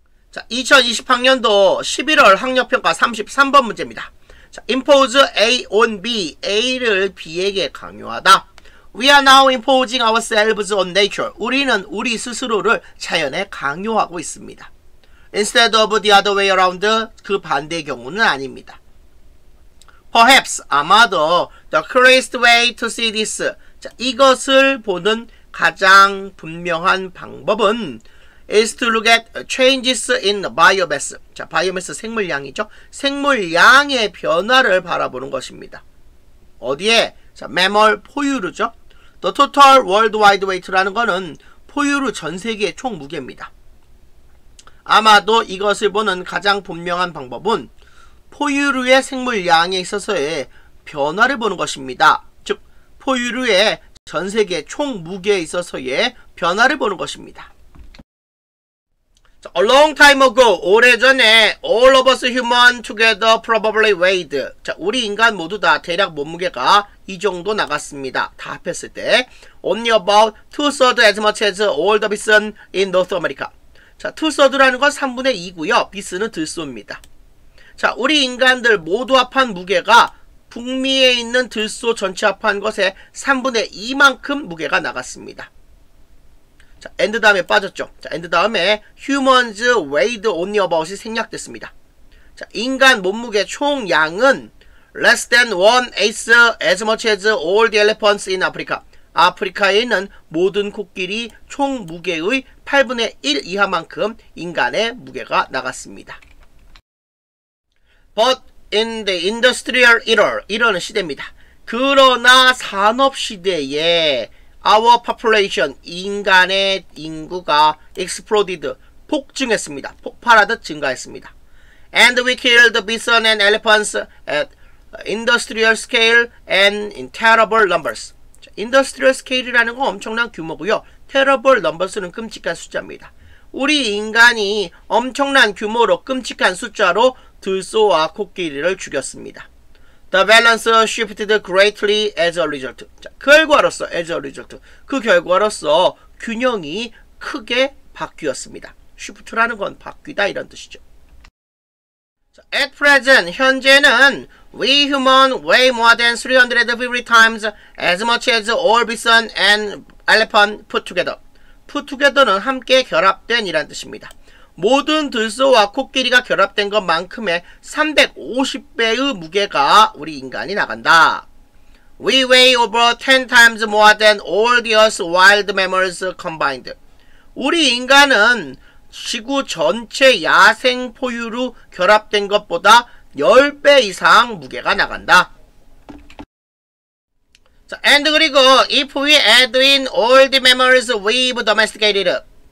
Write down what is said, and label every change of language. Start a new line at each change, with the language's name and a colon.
Korean: 자, 2020학년도 11월 학력평가 33번 문제입니다. 자,
English: impose A on B.
Korean: A를 B에게 강요하다.
English: We are now imposing ourselves on nature.
Korean: 우리는 우리 스스로를 자연에 강요하고 있습니다.
English: Instead of the other way around,
Korean: 그 반대의 경우는 아닙니다.
English: Perhaps,
Korean: 아마도
English: the clearest way to see this.
Korean: 자, 이것을 보는 가장 분명한 방법은
English: is to look at changes in biomass.
Korean: 자, biomass 생물량이죠. 생물량의 변화를 바라보는 것입니다. 어디에? 자, mammal 포유류죠.
English: The total worldwide weight
Korean: 라는 것은 포유류 전 세계의 총 무게입니다. 아마도 이것을 보는 가장 분명한 방법은 포유류의 생물량에 있어서의 변화를 보는 것입니다. 즉, 포유류의 전 세계 총 무게에 있어서의 변화를 보는 것입니다.
English: A long time ago,
Korean: 오래전에
English: all of us human together probably weighed.
Korean: 자, 우리 인간 모두 다 대략 몸무게가 이 정도 나갔습니다. 다 합했을 때
English: only about two-thirds as much as all the bison in North America.
Korean: 자, two-thirds라는 건 3분의 2고요. bison은 들소입니다. 자, 우리 인간들 모두 합한 무게가 북미에 있는 들소 전체 합한 것의 3분의 2만큼 무게가 나갔습니다. 자, and 다음에 빠졌죠. 자, and 다음에
English: humans weighed only about
Korean: 이 생략됐습니다. 자, 인간 몸무게 총량은
English: less than one eighth as much as all the elephants in Africa.
Korean: 아프리카에 있는 모든 코끼리 총 무게의 8분의 1 이하만큼 인간의 무게가 나갔습니다.
English: But in the industrial era,
Korean: 이런 시대입니다. 그러나 산업 시대에
English: Our population,
Korean: 인간의 인구가
English: exploded,
Korean: 폭증했습니다. 폭발하듯 증가했습니다.
English: And we killed bison and elephants at industrial scale and in terrible numbers.
Korean: 자,
English: industrial scale
Korean: 이라는 건 엄청난 규모고요.
English: terrible numbers
Korean: 는 끔찍한 숫자입니다. 우리 인간이 엄청난 규모로 끔찍한 숫자로 들소와 코끼리를 죽였습니다.
English: The balance shifted greatly as a result.
Korean: 자, 결과로서,
English: as a result.
Korean: 그 결과로서 균형이 크게 바뀌었습니다. shift라는 건 바뀌다 이런 뜻이죠.
English: 자, at present,
Korean: 현재는
English: we human weigh more than 350 times as much as all bison and elephant put together. put together
Korean: 는 함께 결합된 이란 뜻입니다. 모든 들소와 코끼리가 결합된 것만큼의 350배의 무게가 우리 인간이 나간다.
English: We weigh over 10 times more than all the Earth's wild mammals combined.
Korean: 우리 인간은 지구 전체 야생 포유류 결합된 것보다 10배 이상 무게가 나간다.
English: So, and
Korean: 그리고
English: if we add in all the mammals we've domesticated.